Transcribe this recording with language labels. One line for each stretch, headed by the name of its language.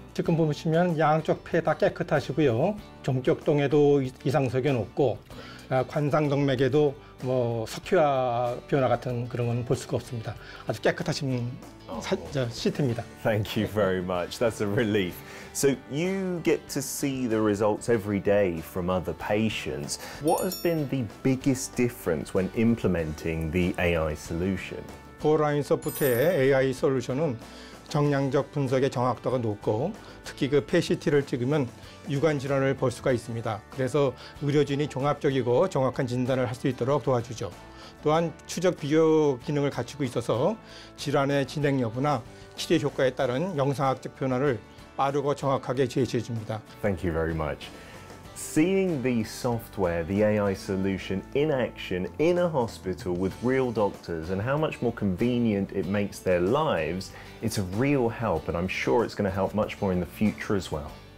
Korean: 지금 보시면 양쪽 폐 다 깨끗하시고요. 종격동에도 이상석은 없고 관상동맥에도 뭐 석회화 변화 같은 그런 건 볼 수가 없습니다. 아주 깨끗하신 CT입니다.
English: Thank you very much. That's a relief. So you get to see the results every day from other patients. What has been the biggest difference when implementing the AI solution?
Korean: 코어라인소프트의 AI 솔루션은 정량적 분석의 정확도가 높고 특히 그 폐CT를 찍으면 유관 질환을 볼 수가 있습니다. 그래서 의료진이 종합적이고 정확한 진단을 할 수 있도록 도와주죠. 또한 추적 비교 기능을 갖추고 있어서 질환의 진행 여부나 치료 효과에 따른 영상학적 변화를 빠르고 정확하게 제시해 줍니다.
English: Thank you very much. Seeing the software, the AI solution in action in a hospital with real doctors and how much more convenient it makes their lives, it's a real help and I'm sure it's going to help much more in the future as well.